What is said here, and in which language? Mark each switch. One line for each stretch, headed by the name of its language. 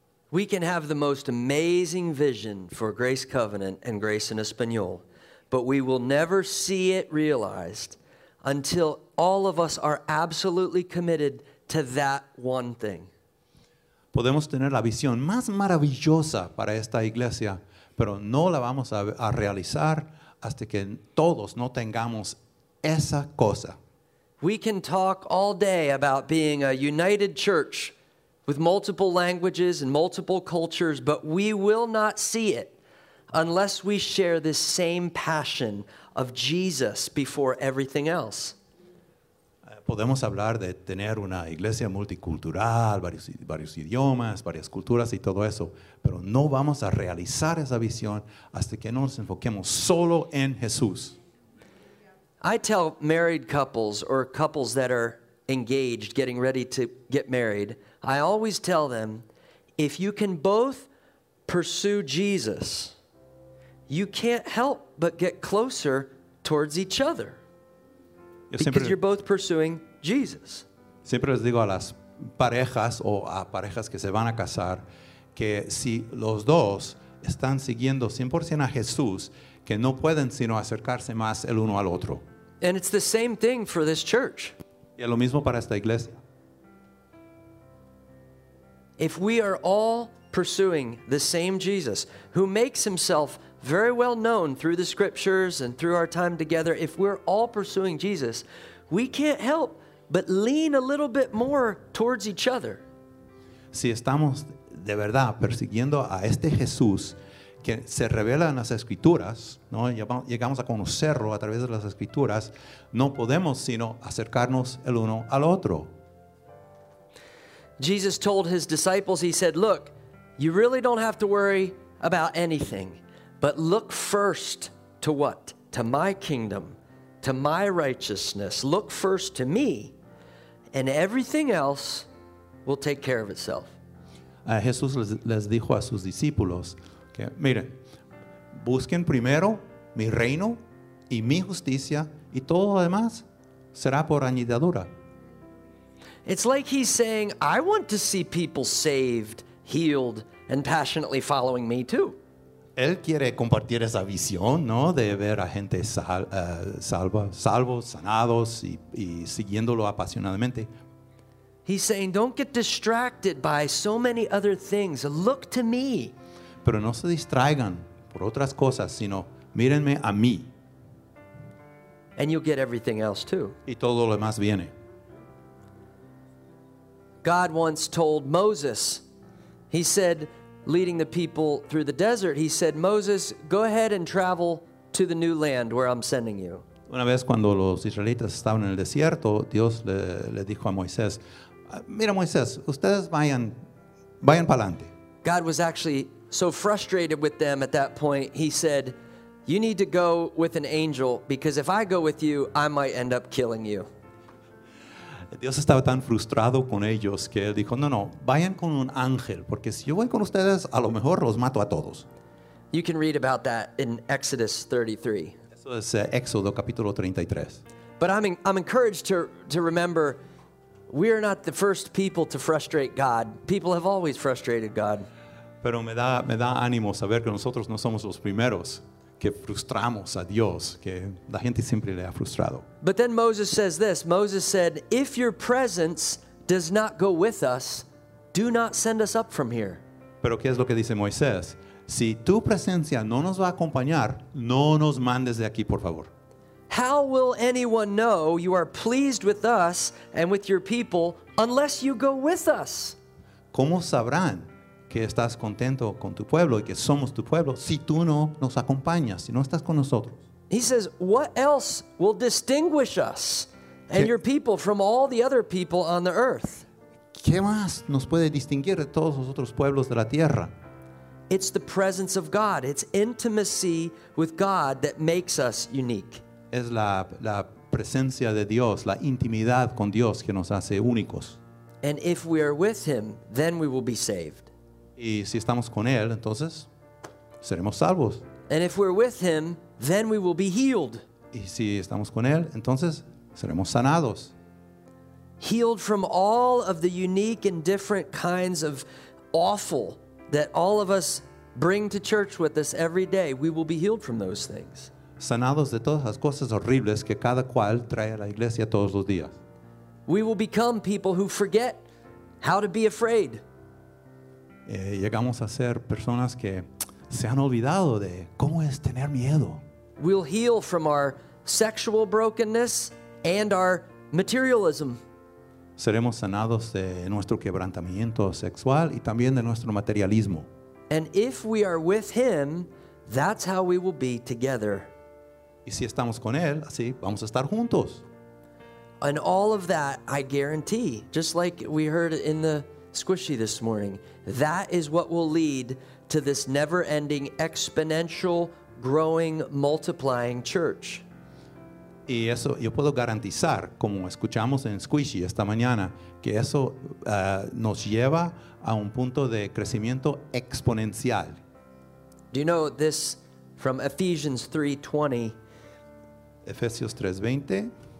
English: We can have the most amazing vision for Grace Covenant and Grace in Español, but we will never see it realized until all of us are absolutely committed to that one thing.
Spanish: Podemos tener la visión más maravillosa para esta iglesia, pero no la vamos a realizar hasta que todos no tengamos esa cosa.
English: We can talk all day about being a united church with multiple languages and multiple cultures, but we will not see it unless we share this same passion of Jesus before everything else.
Spanish: Podemos hablar de tener una iglesia multicultural, varios idiomas, varias culturas y todo eso, pero no vamos a realizar esa visión hasta que no nos enfoquemos solo en Jesús.
English: I tell married couples or couples that are engaged, getting ready to get married, I always tell them, if you can both pursue Jesus, you can't help but get closer towards each other. Because you're both pursuing Jesus.
Spanish: Siempre les digo a las parejas o a parejas que se van a casar que si los dos están siguiendo 100% a Jesús, que no pueden sino acercarse más el uno al otro.
English: And it's the same thing for this church.
Spanish: Y es lo mismo para esta iglesia.
English: If we are all pursuing the same Jesus, who makes himself very well known through the scriptures and through our time together, if we're all pursuing Jesus, we can't help but lean a little bit more towards each other.
Spanish: Si estamos de verdad persiguiendo a este Jesús que se revela en las escrituras, ¿no? Llegamos a conocerlo a través de las escrituras, no podemos sino acercarnos el uno al otro.
English: Jesus told his disciples, he said, look, you really don't have to worry about anything. But look first to what? To my kingdom, to my righteousness. Look first to me, and everything else will take care of itself.
Spanish: Jesús les dijo a sus discípulos que, miren, busquen primero mi reino y mi justicia, y todo lo demás será por añadidura.
English: It's like he's saying, I want to see people saved, healed, and passionately following me too.
Spanish: Él quiere compartir esa visión, ¿no? De ver a gente salvos, sanados y siguiéndolo apasionadamente.
English: He's saying, don't get distracted by so many other things. Look to me.
Spanish: Pero no se distraigan por otras cosas, sino mírenme a mí.
English: And you'll get everything else too.
Spanish: Y todo lo demás viene.
English: God once told Moses, he said, leading the people through the desert, he said, Moses, go ahead and travel to the new land where I'm sending you.
Spanish: Una vez cuando los israelitas estaban en el desierto, Dios le dijo a Moisés, mira Moisés, ustedes vayan para adelante.
English: God was actually so frustrated with them at that point, he said, you need to go with an angel, because if I go with you, I might end up killing you.
Spanish: Dios estaba tan frustrado con ellos que él dijo, no, vayan con un ángel, porque si yo voy con ustedes, a lo mejor los mato a todos.
English: You can read about that in Exodus 33.
Spanish: Eso es Éxodo capítulo 33.
English: But I'm encouraged to remember, we are not the first people to frustrate God. People have always frustrated God.
Spanish: Pero me da ánimo saber que nosotros no somos los primeros que frustramos a Dios, que la gente siempre le ha frustrado.
English: But then Moses says this. Moses said, if your presence does not go with us, do not send us up from here.
Spanish: Pero ¿qué es lo que dice Moisés? Si tu presencia no nos va a acompañar, no nos mandes de aquí, por favor.
English: How will anyone know you are pleased with us and with your people unless you go with us?
Spanish: ¿Cómo sabrán que estás contento con tu pueblo y que somos tu pueblo si tú no nos acompañas, si no estás con nosotros?
English: He says, what else will distinguish us and your people from all the other people on the earth?
Spanish: ¿Qué más nos puede distinguir de todos los otros pueblos de la tierra?
English: It's the presence of God. It's intimacy with God that makes us unique.
Spanish: Es la presencia de Dios, la intimidad con Dios que nos hace únicos.
English: And if we are with him, then we will be saved.
Spanish: Y si estamos con él, entonces seremos salvos.
English: And if we're with him, then we will be healed.
Spanish: Y si estamos con él, entonces seremos sanados.
English: Healed from all of the unique and different kinds of awful that all of us bring to church with us every day, we will be healed from those things.
Spanish: Sanados de todas las cosas horribles que cada cual trae a la iglesia todos los días.
English: We will become people who forget how to be afraid.
Spanish: Llegamos a ser personas que se han olvidado de cómo es tener miedo.
English: We'll heal from our sexual brokenness and our materialism.
Spanish: Seremos sanados de nuestro quebrantamiento sexual y también de nuestro materialismo.
English: And if we are with him, that's how we will be together.
Spanish: Y si estamos con él, así vamos a estar juntos.
English: And all of that, I guarantee, just like we heard in the squishy this morning, that is what will lead to this never-ending, exponential, growing, multiplying church.
Spanish: Y eso yo puedo garantizar, como escuchamos en Squishy esta mañana, que eso nos lleva a un punto de crecimiento exponencial.
English: Do you know this from Ephesians 3:20? Ephesians 3:20.